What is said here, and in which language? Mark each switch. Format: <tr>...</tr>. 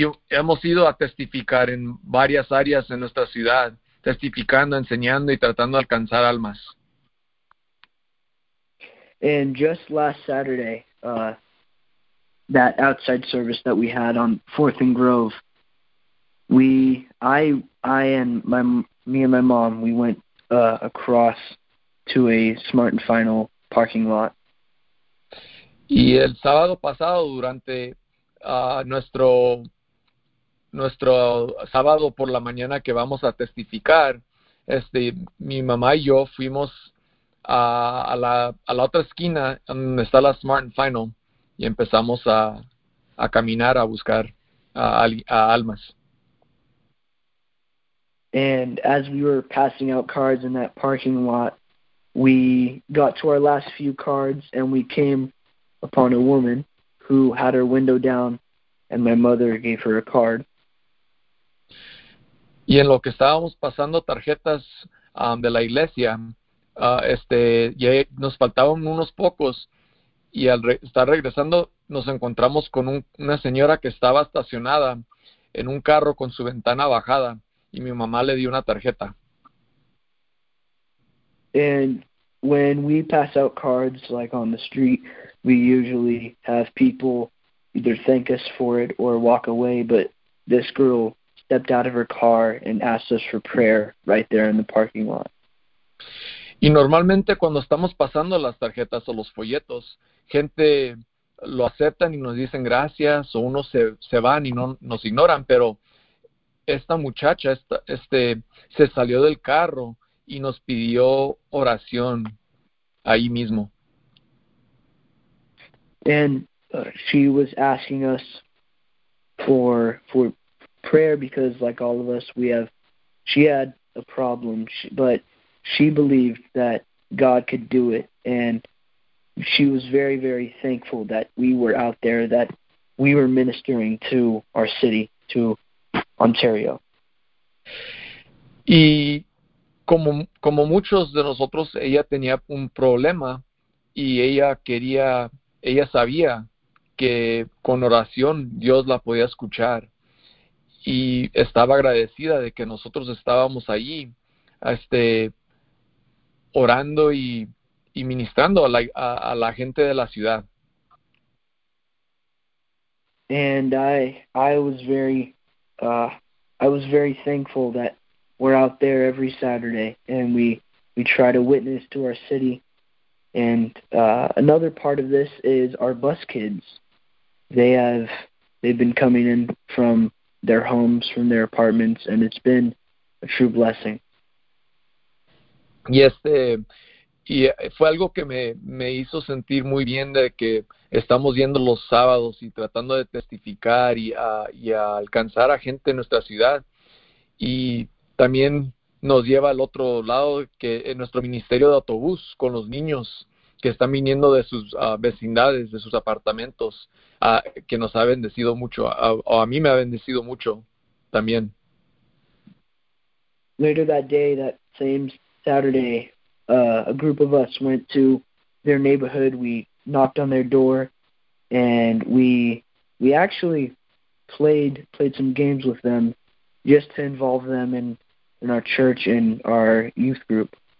<es>Hemos ido a testificar en varias áreas en nuestra ciudad, testificando, enseñando y tratando de alcanzar almas.</es> <en>And just last Saturday, that outside service that we had on 4th and Grove, me and my mom, we went across to a Smart and Final parking lot.</en> <es>Y el sábado pasado, durante nuestro sábado por la mañana que vamos a testificar, mi mamá y yo fuimos a la otra esquina donde está la Smart and Final y empezamos a caminar a buscar a almas.</es> <en>And as we were passing out cards in that parking lot, we got to our last few cards and we came upon a woman who had her window down and my mother gave her a card.</en> <es>Y en lo que estábamos pasando tarjetas de la iglesia, ya nos faltaban unos pocos y al estar regresando nos encontramos con una señora que estaba estacionada en un carro con su ventana bajada. Y mi mamá le dio una tarjeta.</es> <en>And when we pass out cards, like on the street, we usually have people either thank us for it or walk away. But this girl stepped out of her car and asked us for prayer right there in the parking lot.</en> <es>Y normalmente cuando estamos pasando las tarjetas o los folletos, gente lo aceptan y nos dicen gracias, o unos se van y no nos ignoran, pero esta muchacha se salió del carro y nos pidió oración ahí mismo.</es> <en>And she was asking us for prayer because, like all of us, she had a problem, but she believed that God could do it. And she was very, very thankful that we were out there, that we were ministering to our city, to Ontario.</en> <es>Y como muchos de nosotros, ella tenía un problema y ella sabía que con oración Dios la podía escuchar y estaba agradecida de que nosotros estábamos allí orando y ministrando a la gente de la ciudad.</es> <en>And I was very thankful that we're out there every Saturday and we try to witness to our city. And another part of this is our bus kids. They've been coming in from their homes, from their apartments, and it's been a true blessing.</en> <es>Yes, y fue algo que me hizo sentir muy bien de que estamos yendo los sábados y tratando de testificar y a alcanzar a gente en nuestra ciudad. Y también nos lleva al otro lado, que en nuestro ministerio de autobús con los niños que están viniendo de sus vecindades, de sus apartamentos, que nos ha bendecido mucho, o a mí me ha bendecido mucho también.</es> <en>Later that day, that same Saturday, a group of us went to their neighborhood. We knocked on their door, and we actually played some games with them just to involve them in our church and our youth group.</en>